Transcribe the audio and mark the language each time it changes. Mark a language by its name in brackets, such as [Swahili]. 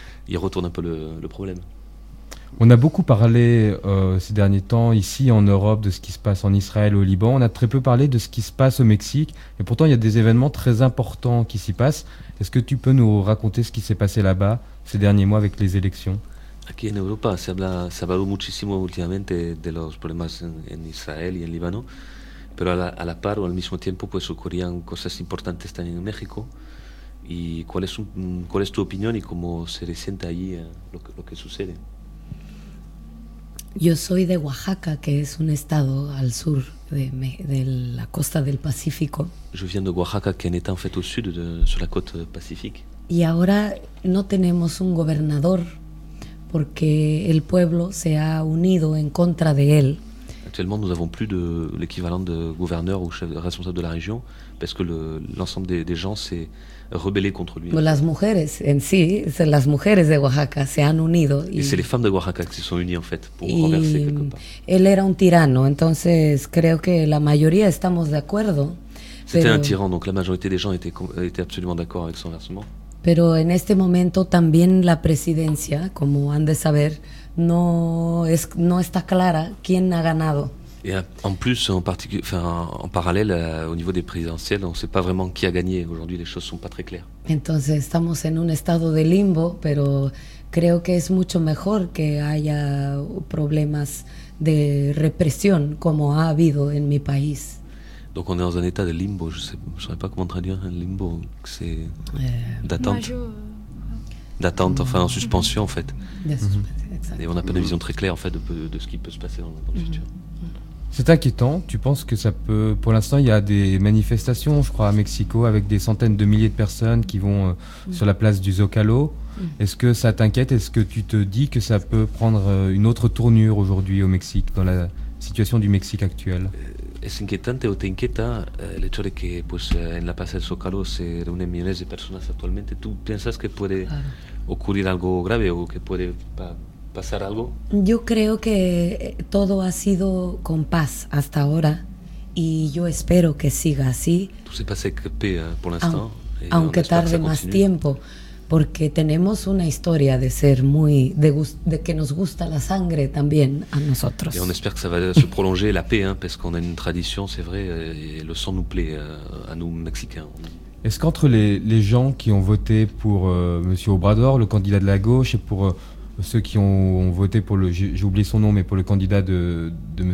[French] Ils retournent un peu le problème. On a beaucoup parlé ces derniers temps ici en Europe de ce qui se passe en Israël ou au Liban. On a très peu parlé de ce qui se passe au Mexique. Et pourtant, il y a des événements très importants qui s'y passent. Est-ce que tu peux nous raconter ce qui s'est passé là-bas ces derniers mois avec les élections? [Spanish] Aquí en Europa se ha hablado muchísimo últimamente de los problemas en Israel y en Líbano. Pero a la par o al mismo tiempo, pues ocurrían cosas importantes también en México. ¿Y cuál es tu opinión y cómo se resiente allí lo que sucede? Yo soy de Oaxaca, que es un estado al sur de la costa del Pacífico. [French] Je viens de Oaxaca, qui est un état en fait au sud de sur la côte pacifique. [Spanish] Y ahora no tenemos un gobernador porque el pueblo se ha unido en contra de él. [French] Actuellement, nous avons plus de l'équivalent de gouverneur ou chef responsable de la région parce que l'ensemble des gens s'est rebellé contre lui. [Spanish] Las mujeres en sí, las mujeres de Oaxaca se han unido. [French] Y c'est les femmes de Oaxaca qui se sont unies en fait pour renverser quelque part. [Spanish] Él era un tirano, entonces creo que la mayoría estamos de acuerdo. [French] C'était pero, un tyran, donc la majorité des gens étaient absolument d'accord avec son versement. [Spanish] Pero en este momento también la presidencia, como han de saber, no está clara quién ha ganado. [French] Et en plus, en parallèle, au niveau des présidentielles, on ne sait pas vraiment qui a gagné. Aujourd'hui, les choses ne sont pas très claires. [Spanish] Entonces, estamos en un estado de limbo, pero creo que es mucho mejor que haya problemas de represión como ha habido en mi país. [French] Donc, on est dans un état de limbo. Je ne saurais pas comment traduire un limbo. C'est d'attente. D'attente, enfin, en suspension, en fait. Mm-hmm. Et on n'a pas de vision très claire, en fait, de ce qui peut se passer dans le futur. C'est inquiétant. Tu penses que ça peut, pour l'instant, il y a des manifestations, je crois, à Mexico, avec des centaines de milliers de personnes qui vont sur la place du Zocalo. Mmh. Est-ce que ça t'inquiète? Est-ce que tu te dis que ça peut prendre une autre tournure aujourd'hui au Mexique, dans la situation du Mexique actuel? [Spanish] Es inquietante o te inquieta el hecho de que, pues, en la plaza del Zócalo se reúnen millones de personas actualmente. ¿Tú piensas que puede ocurrir algo grave o que puede pasar algo? Yo creo que todo ha sido con paz hasta ahora y yo espero que siga así. ¿Tú se pasa que pega por l'instant? Aunque tarde más tiempo, porque tenemos una historia de ser muy de que nos gusta la sangre también a nosotros. [French] Et on espère que ça va se prolonger la paix, hein, parce qu'on a une tradition, c'est vrai, et le sang nous plaît à nous mexicains. Est-ce qu'entre les gens qui ont voté pour M. Obrador, le candidat de la gauche, et pour ceux qui ont voté pour j'ai oublié son nom, mais pour le candidat de M.